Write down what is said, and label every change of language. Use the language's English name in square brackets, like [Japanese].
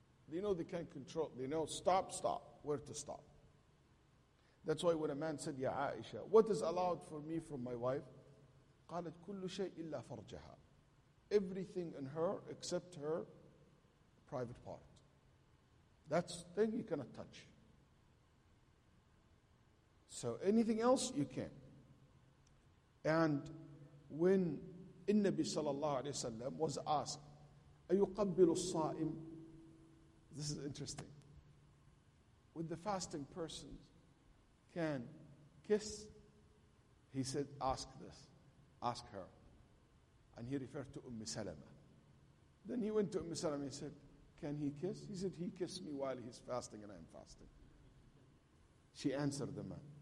[English] They know they can't control. They know stop, where to stop. That's why when a man said, Ya Aisha, what is allowed for me from my wife? [Arabic] قالت كل شيء إلا فرجها. [English] Everything in her except her private part. That's thing you cannot touch. So anything else, you can. And when [Arabic] النبي صلى الله عليه وسلم [English] was asked, [Arabic] أيقبل الصائم? [English] This is interesting. With the fasting person, can kiss? He said, ask this. Ask her. And he referred to Umm Salama. Then he went to Umm Salama and said, can he kiss? He said, he kissed me while he's fasting and I'm fasting. She answered the man.